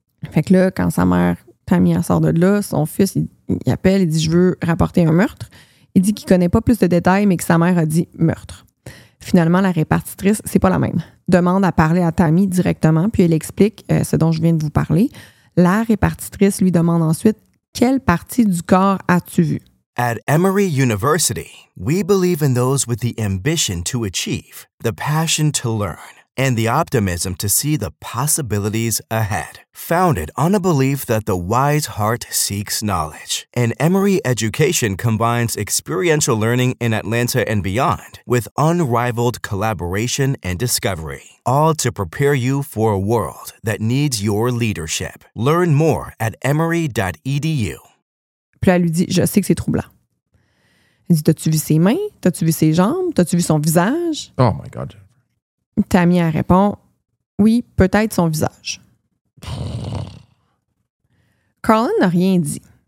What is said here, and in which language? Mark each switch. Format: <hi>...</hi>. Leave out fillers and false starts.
<fr>Fait que là, quand sa mère, Tammy, elle sort de là, son fils, il appelle, il dit « Je veux rapporter un meurtre. » Il dit qu'il connaît pas plus de détails, mais que sa mère a dit « Meurtre. » Finalement, la répartitrice, c'est pas la même. Demande à parler à Tammy directement, puis elle explique ce dont je viens de vous parler. La répartitrice lui demande ensuite « Quelle partie du corps as-tu vu? »</fr> <en>At Emory University, we believe in those with the ambition to achieve, the passion to learn, and the optimism to see the possibilities ahead. Founded on a belief that the wise heart seeks knowledge, an Emory education combines experiential learning in Atlanta and beyond with unrivaled collaboration and discovery, all to prepare you for a world that needs your leadership. Learn more at emory.edu.</en> <fr>Puis elle lui dit, je sais que c'est troublant. Elle dit, t'as-tu vu ses mains? T'as-tu vu ses jambes? T'as-tu vu son visage?</fr> <en>Oh my God.</en> <fr>Tammy a répond, oui, peut-être son visage. Carlin n'a rien dit.</fr>